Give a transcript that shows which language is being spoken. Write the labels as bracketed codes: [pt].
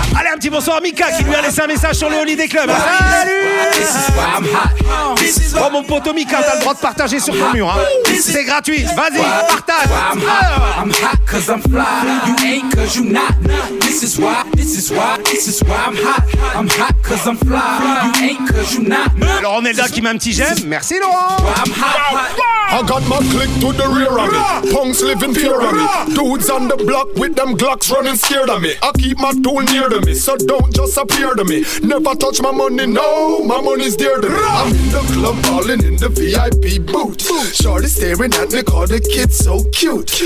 [fr] Un petit bonsoir à Mika qui lui a laissé un message sur le Holiday Club. Salut! Oh mon pote Mika, t'as le droit de partager sur ton mur. Hein. C'est gratuit, vas-y, partage! [en] I'm hot cause I'm fly, you ain't cause you not. This is why, this is why, this is why I'm hot. I'm hot cause I'm fly, you ain't cause you not. [fr] Laurent Nelda qui met un petit j'aime, merci Laurent! [en] I'm hot. I got my click to the rear of me. Punks living pure of me. Dudes on the block with them Glocks running scared of me. I keep my tool near to me. So don't just appear to me. Never touch my money, no. My money's dear to me. I'm in the club ballin' in the VIP booth. Shorty staring at me, call the kid so cute.